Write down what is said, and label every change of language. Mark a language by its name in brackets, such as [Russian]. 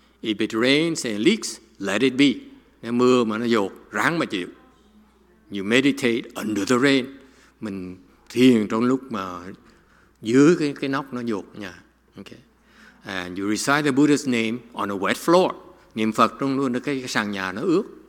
[English] If it rains and leaks, let it be. [Vietnamese] Nếu mưa mà nó dột, ráng mà chịu. [English] You meditate under the rain. [Vietnamese] Mình thiền trong lúc mà dưới cái nóc nó dột nha. [English] Okay? And you recite the Buddha's name on a wet floor. [Vietnamese] Niệm Phật trong luôn được cái sàn nhà nó ướt.